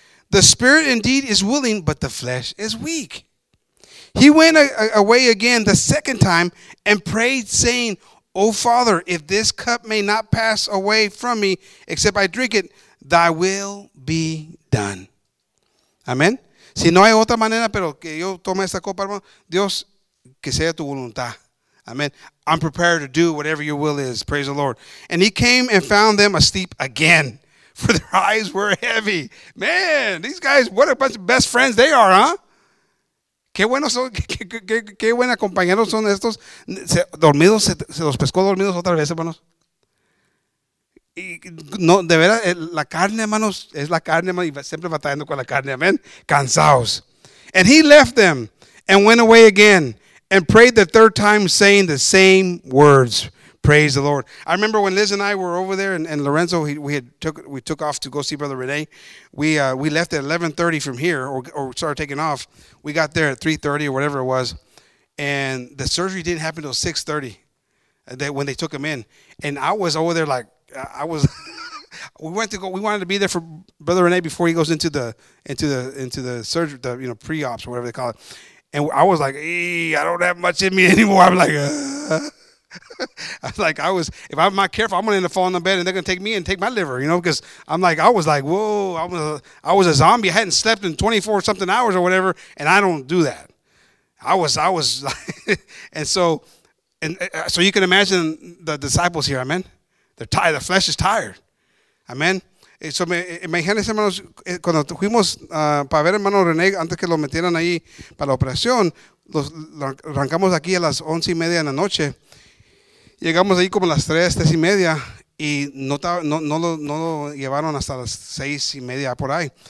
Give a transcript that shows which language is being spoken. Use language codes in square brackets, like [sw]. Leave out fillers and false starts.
[en] The spirit indeed is willing, but the flesh is weak. He went away again the second time and prayed, saying, O Father, if this cup may not pass away from me, except I drink it, thy will be done. Amen. [es] Si no hay otra manera, pero que yo tome esta copa, hermano, Dios, que sea tu voluntad. Amen. [en] I'm prepared to do whatever your will is. Praise the Lord. And he came and found them asleep again, for their eyes were heavy. Man, these guys, what a bunch of best friends they are, huh? [es] Qué buenos son, qué buena compañeros son estos. Dormidos, se los pescó dormidos otra vez, hermanos. Y no, de veras, la carne, hermanos, es la carne, hermanos, y siempre batallando con la carne, amén. Cansados. [en] And he left them and went away again and prayed the third time, saying the same words. Praise the Lord. I remember when Liz and I were over there, and Lorenzo, we took off to go see Brother Renee. We left at 11:30 from here, or started taking off. We got there at 3:30 or whatever it was, and the surgery didn't happen until 6:30, when they took him in. And I was over there like I was. We wanted to be there for Brother Renee before he goes into the surgery, the, you know, pre-ops or whatever they call it. And I was like, I don't have much in me anymore. I'm like. Like I was, if I'm not careful, I'm going to end up falling on the bed, and they're going to take me and take my liver, you know, because I'm like, I was like, whoa, I was a zombie. I hadn't slept in 24 something hours or whatever. And I don't do that. I was, and so you can imagine the disciples here. Amen. They're tired. The flesh is tired. Amen. [es] So imagínense, hermanos, cuando fuimos para ver hermano René antes que lo metieran ahí para la operación, arrancamos aquí a las 11:30 en la noche. Llegamos ahí como a las 3:30, y no lo llevaron hasta las 6:30 por ahí.